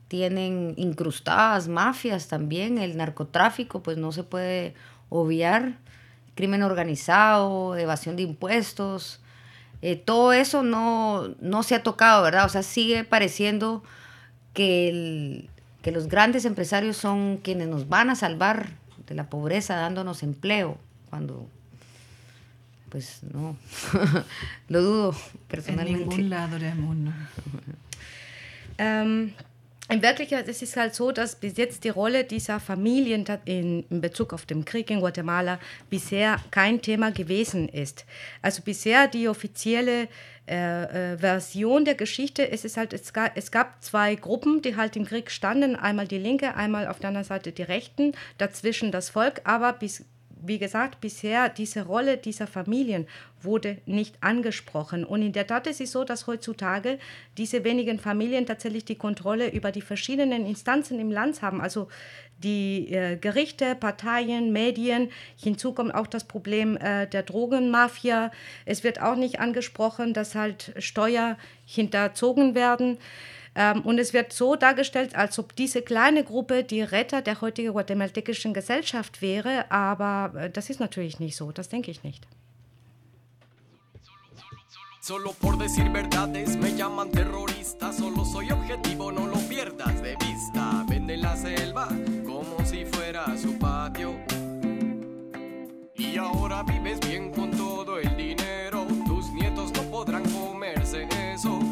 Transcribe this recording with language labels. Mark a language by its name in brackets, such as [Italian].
[Spanish] tienen incrustadas mafias también, el narcotráfico, pues no se puede obviar, crimen organizado, evasión de impuestos, todo eso no se ha tocado, ¿verdad? O sea, sigue pareciendo que los grandes empresarios son quienes nos van a salvar de la pobreza dándonos empleo, cuando, pues no, lo dudo personalmente. En ningún lado del mundo. [German] In Wirklichkeit ist es halt so, dass bis jetzt die Rolle dieser Familien in Bezug auf den Krieg in Guatemala bisher kein Thema gewesen ist. Also bisher die offizielle Version der Geschichte ist es halt, es gab zwei Gruppen, die halt im Krieg standen, einmal die Linke, einmal auf der anderen Seite die Rechten, dazwischen das Volk, aber wie gesagt, bisher diese Rolle dieser Familien wurde nicht angesprochen. Und in der Tat ist es so, dass heutzutage diese wenigen Familien tatsächlich die Kontrolle über die verschiedenen Instanzen im Land haben. Also die Gerichte, Parteien, Medien. Hinzu kommt auch das Problem der Drogenmafia. Es wird auch nicht angesprochen, dass halt Steuern hinterzogen werden. Und es wird so dargestellt, als ob diese kleine Gruppe die Retter der heutigen guatemaltekischen Gesellschaft wäre, aber das ist natürlich nicht so, das denke ich nicht. [Spanish] Solo por decir verdades me llaman terrorista, solo soy objetivo, no lo pierdas de vista. Venden la selva como si fuera su patio. Y ahora vives bien con todo el dinero, tus nietos no podrán comerse eso.